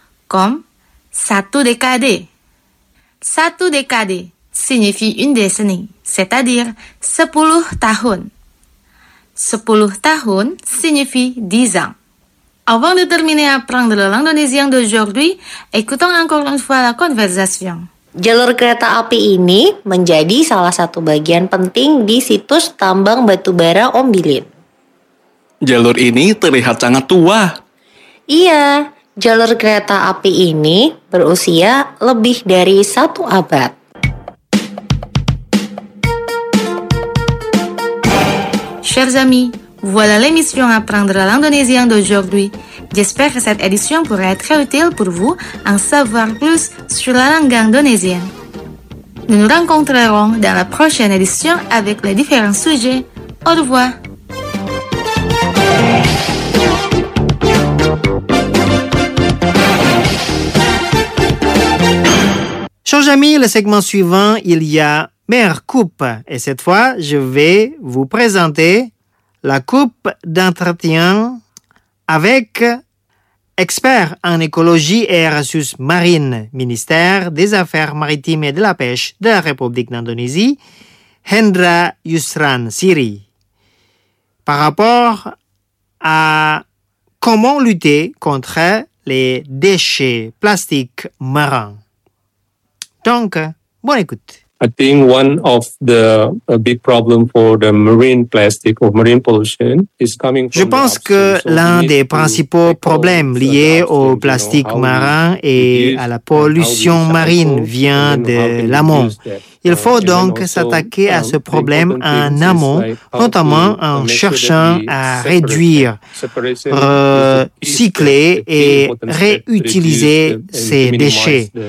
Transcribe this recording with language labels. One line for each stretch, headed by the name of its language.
French: Comme satu décade. Satu décade signifie une décennie, c'est-à-dire
Indonesian: 10 tahun. 10 tahun
French: signifie 10 ans. Avant de terminer apprendre le langue d'aujourd'hui, écoutons encore une fois la conversation.
Indonesian: Jalur kereta api ini menjadi salah satu bagian penting di situs tambang batubara Ombilin. Jalur ini terlihat sangat tua. Iya, jalur kereta api ini berusia lebih dari satu abad.
French: Chers amis, voilà l'émission Apprendre l'Indonésien d'aujourd'hui. J'espère que cette édition pourra être utile pour vous en savoir plus sur la langue indonésienne. Nous nous rencontrerons dans la prochaine édition avec les différents sujets. Au revoir! Chers amis, le segment suivant, il y a Mère Coupe. Et cette fois, je vais vous présenter la coupe d'entretien avec expert en écologie et ressources marines, ministère des Affaires maritimes et de la pêche de la République d'Indonésie, Hendra Yusran Siri, par rapport à comment lutter contre les déchets plastiques marins. Donc, bonne écoute.
English: I think one of the big problem for the marine plastic or marine pollution is coming from
French: Je pense que l'un des principaux problèmes liés au plastique marin et à la pollution marine vient de l'amont. Il faut donc s'attaquer à ce problème en amont, notamment en cherchant à réduire, recycler et réutiliser ces déchets.